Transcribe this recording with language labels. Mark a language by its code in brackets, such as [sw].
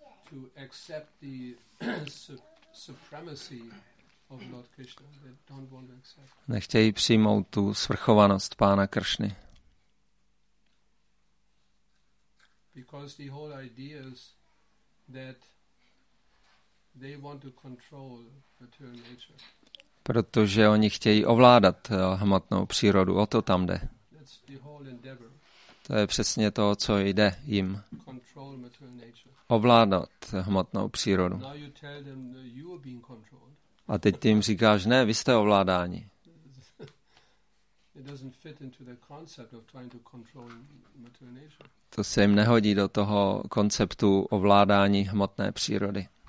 [en] To accept the supremacy of Lord Krishna, they don't want to accept. [cs] Nechtějí přijmout tu svrchovanost pána Kršny. [en] Because the whole idea is that they want to control material nature. [cs] Protože oni chtějí ovládat hmotnou přírodu, o to tam jde. [en] That's the whole endeavor. [cs] To je přesně to, co jde jim. [en] Control material nature. [cs] Ovládat hmotnou přírodu. [en] Now you tell them that you are being controlled. [cs] A teď ty jim říkáš, ne, vy jste ovládání. [en] It doesn't fit into the concept of trying to control material nature. [cs] To se jim nehodí do toho konceptu ovládání hmotné přírody.